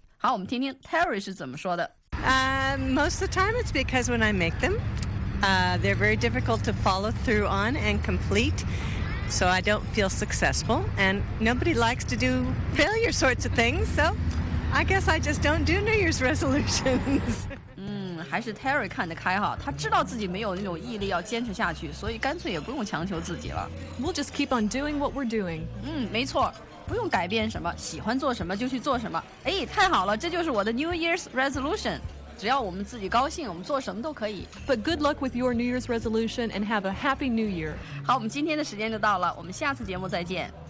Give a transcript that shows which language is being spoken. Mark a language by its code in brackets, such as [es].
[zh] 好，我们听听 Terry 是怎么说的。 [en] Most of the time it's because when I make them,they're very difficult to follow through on and complete, so I don't feel successful, and nobody likes to do failure sorts of things, so I guess I just don't do New Year's resolutions. [zh] 还是 Terry 看得开哈，他知道自己没有那种毅力要坚持下去，所以干脆也不用强求自己了。 [en] We'll just keep on doing what we're doing. [zh] 没错，不用改变什么，喜欢做什么就去做什么。哎，太好了，这就是我的 New Year's resolution. 只要我们自己高兴，我们做什么都可以。 [en] But good luck with your New Year's resolution and have a happy New Year. [zh] 好，我们今天的时间就到了，我们下次节目再见。